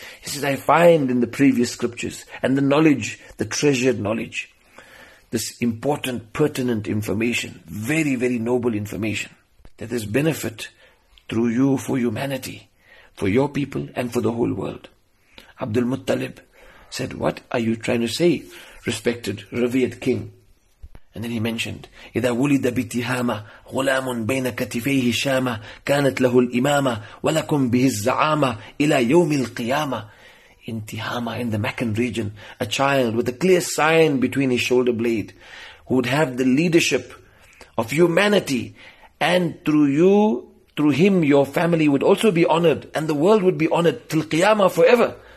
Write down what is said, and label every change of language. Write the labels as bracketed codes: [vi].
[en] He says, I find in the previous scriptures and the knowledge, the treasured knowledge, this important, pertinent information, very, very noble information. that there's benefit through you for humanity, for your people and for the whole world. Abdul Muttalib said, what are you trying to say, respected, revered king? And then he mentioned, [ar] إِذَا وُلِدَ بِتِهَامَ غُلَامٌ بَيْنَ كَتِفَيْهِ شَامَ كَانَتْ لَهُ الْإِمَامَةِ وَلَكُمْ بِهِ الزَّعَامَةِ إِلَى يَوْمِ الْقِيَامَةِ. [en] In Tihama, in the Meccan region, a child with a clear sign between his shoulder blade, who would have the leadership of humanity, and through you, through him, your family would also be honored, and the world would be honored till Qiyamah, forever.